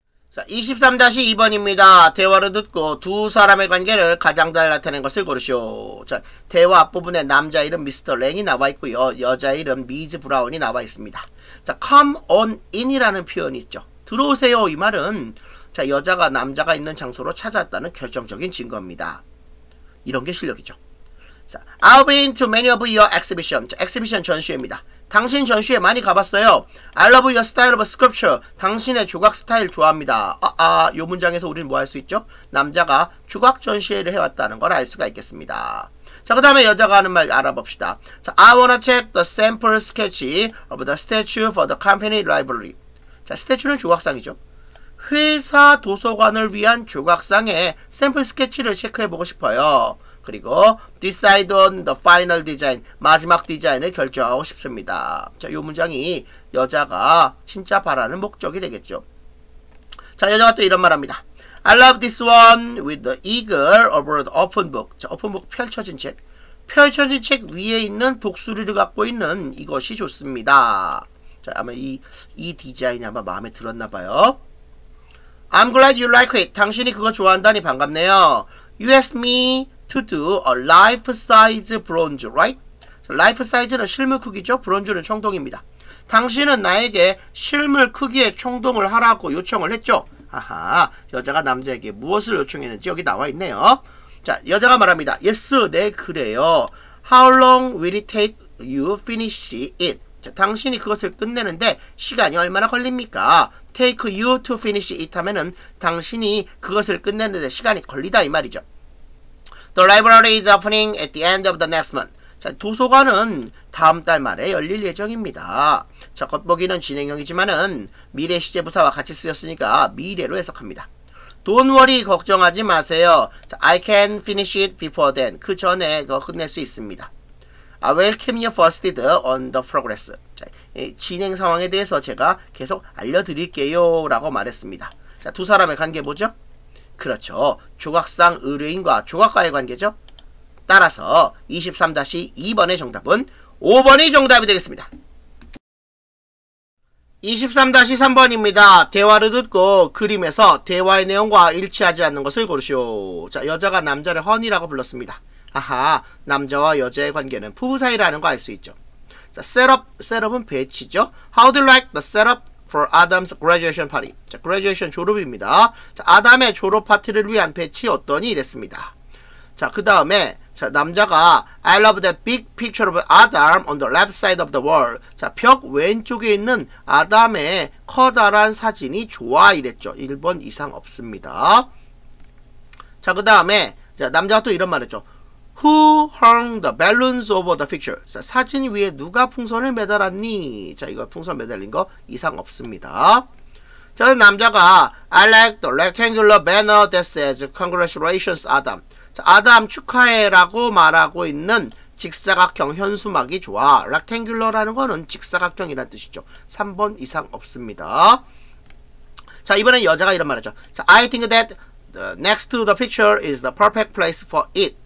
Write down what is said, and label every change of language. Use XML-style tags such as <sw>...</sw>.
<ko>자, 23-2번입니다. 대화를 듣고 두 사람의 관계를 가장 잘 나타낸 것을 고르시오. 자, 대화 앞부분에 남자 이름 미스터 랭이 나와 있고요. 여자 이름 미즈 브라운이 나와 있습니다. 자,</ko> <en>come on in</en> <ko>이라는 표현이 있죠. 들어오세요. 이 말은 자, 여자가 남자가 있는 장소로 찾았다는 결정적인 증거입니다. 이런 게 실력이죠.</ko> <en>자, I've been to many of your exhibitions.</en> <ko>자, 엑시비션 전시회입니다. 당신 전시회 많이 가봤어요.</ko> <en>I love your style of sculpture.</en> <ko>당신의 조각 스타일 좋아합니다. 요 문장에서 우리는 뭐 할 수 있죠? 남자가 조각 전시회를 해왔다는 걸 알 수가 있겠습니다. 자, 그 다음에 여자가 하는 말 알아봅시다.</ko> <en>자, I wanna check the sample sketch of the statue for the company library.</en> <ko>자, 스태츄는 조각상이죠. 회사 도서관을 위한 조각상의 샘플 스케치를 체크해보고 싶어요. 그리고</ko> <en>decide on the final design,</en> <ko>마지막 디자인을 결정하고 싶습니다. 자, 요 문장이 여자가 진짜 바라는 목적이 되겠죠. 자, 여자가 또 이런 말합니다.</ko> <en>I love this one with the eagle over the open book.</en> <ko>자,</ko> <en>open book</en> <ko>펼쳐진 책. 펼쳐진 책 위에 있는 독수리를 갖고 있는 이것이 좋습니다. 자, 아마 이 디자인이 아마 마음에 들었나 봐요.</ko> <en>I'm glad you like it.</en> <ko>당신이 그거 좋아한다니 반갑네요.</ko> <en>You asked me to do a life-size bronze, right?</en> <ko>So life-size는 실물 크기죠. 브론즈는 청동입니다. 당신은 나에게 실물 크기의 청동을 하라고 요청을 했죠. 아하, 여자가 남자에게 무엇을 요청했는지 여기 나와 있네요. 자, 여자가 말합니다.</ko> <en>Yes,</en> <ko>네, 그래요.</ko> <en>How long will it take you finish it?</en> <ko>자, 당신이 그것을 끝내는데 시간이 얼마나 걸립니까?</ko> <en>Take you to finish it</en> <ko>하면은 당신이 그것을 끝내는데 시간이 걸리다 이 말이죠.</ko> <en>The library is opening at the end of the next month.</en> <ko>자, 도서관은 다음 달 말에 열릴 예정입니다. 자, 겉보기는 진행형이지만은 미래 시제 부사와 같이 쓰였으니까 미래로 해석합니다.</ko> <en>Don't worry,</en> <ko>걱정하지 마세요.</ko> <en>자, I can finish it before then.</en> <ko>그 전에 그거 끝낼 수 있습니다.</ko> <en>I welcome you first on the progress. 자,</en> <ko>진행 상황에 대해서 제가 계속 알려드릴게요 라고 말했습니다. 자, 두 사람의 관계 뭐죠? 그렇죠. 조각상 의뢰인과 조각과의 관계죠. 따라서 23-2번의 정답은 5번이 정답이 되겠습니다. 23-3번입니다. 대화를 듣고 그림에서 대화의 내용과 일치하지 않는 것을 고르시오. 자, 여자가 남자를 허니라고 불렀습니다. 아하, 남자와 여자의 관계는 부부 사이라는 거 알 수 있죠. 자, setup, setup은 배치죠.</ko> <en>How do you like the setup for Adam's graduation party?</en> <ko>자, graduation 졸업입니다. 자, 아담의 졸업 파티를 위한 배치 어떠니? 이랬습니다. 자, 그 다음에, 자, 남자가</ko> <en>I love that big picture of Adam on the left side of the wall.</en> <ko>자, 벽 왼쪽에 있는 아담의 커다란 사진이 좋아. 이랬죠. 1번 이상 없습니다. 자, 그 다음에, 자, 남자가 또 이런 말 했죠.</ko> <en>Who hung the balloons over the picture?</en> <ko>자, 사진 위에 누가 풍선을 매달았니? 자, 이거 풍선 매달린 거 이상 없습니다.</ko> <en>자, 남자가 I like the rectangular banner that says congratulations Adam.</en> <ko>자, 아담 축하해 라고 말하고 있는 직사각형 현수막이 좋아. rectangular라는 거는 직사각형이란 뜻이죠. 3번 이상 없습니다. 자, 이번엔 여자가 이런 말 하죠.</ko> <en>자, I think that the next to the picture is the perfect place for it.</en>